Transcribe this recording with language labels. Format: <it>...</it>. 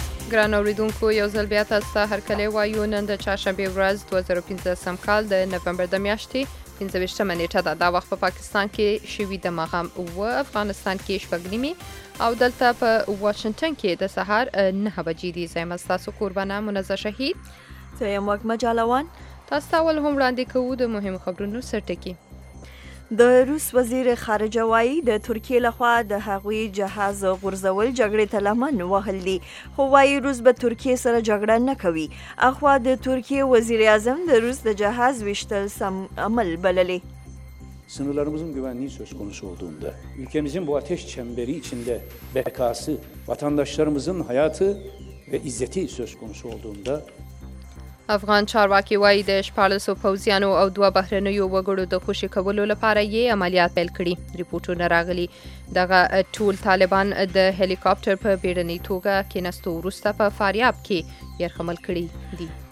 <ps>ګران اوریدونکو یو ځل بیا تاسو ته هرکلی وایو. نن د چهارشنبې ورځ 2015 کال د نومبر د میاشتې 15مه نیټه ده. دا وخت په پاکستان کې شوي د ماښام 8 افغانستان کې شپږ نیمې او دلته په واشنگټن کې د سهار 9 بجې دي. زه یم ستاسو قربانه منظر شهید. زه یم وږمه جالوان. تاسو ته اول هم وړاندې کوو د مهمو خبرونو سرټکی. د روس وزیر خارجه وایي د ترکیې لخوا د هغوی جهاز غورځول جګړې ته لمن وهل دي، خو وایي روس به ترکیې سره جګړه نه کوي. اخوا د ترکیې وزیر اعظم د روس د جهاز ویشتل سم عمل بللی.</ps> <tr>Sınırlarımızın güvenliği söz konusu olduğunda, ülkemizin bu ateş çemberi içinde bekası, vatandaşlarımızın hayatı ve izzeti söz konusu olduğunda,</tr> <ps>افغان چارواکی وایي د شپاړسو پوځیانو او دوه بهرنیو وګړو د خوشي کولو لپاره یې عملیات پیل کړي. رپورټونه راغلي دغه ټول طالبان د هلیکاپټر په بیړنۍ توګه کېنستو وروسته په فاریاب کې یرغمل کړي دي.</ps>